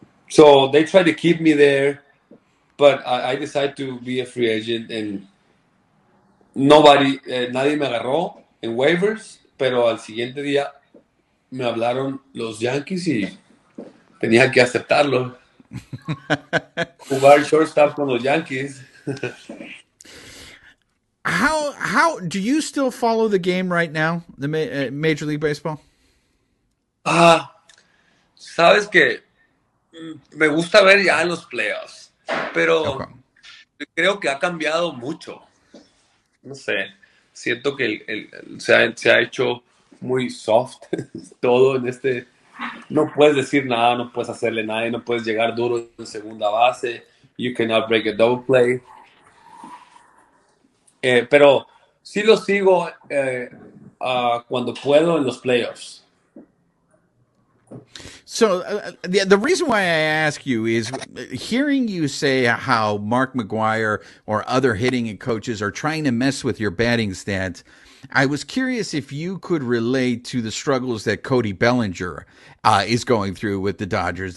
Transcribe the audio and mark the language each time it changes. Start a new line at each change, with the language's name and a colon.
English: So they tried to keep me there. But I decided to be a free agent,
Spanish: and nadie me agarró en waivers, pero al siguiente día me hablaron los Yankees y tenía que aceptarlo. Jugar shortstop con los Yankees.
English: How do you still follow the game right now, the Major League Baseball?
Spanish: Sabes que me gusta ver ya en los playoffs. Pero okay. Creo que ha cambiado mucho. No sé, siento que se ha hecho muy soft todo en este. No puedes decir nada, no puedes hacerle nada, no puedes llegar duro en segunda base.
English: You cannot break a double play.
Spanish: Pero sí lo sigo cuando puedo en los playoffs.
English: So the reason why I ask you is hearing you say how Mark McGuire or other hitting coaches are trying to mess with your batting stance, I was curious if you could relate to the struggles that Cody Bellinger is going through with the Dodgers.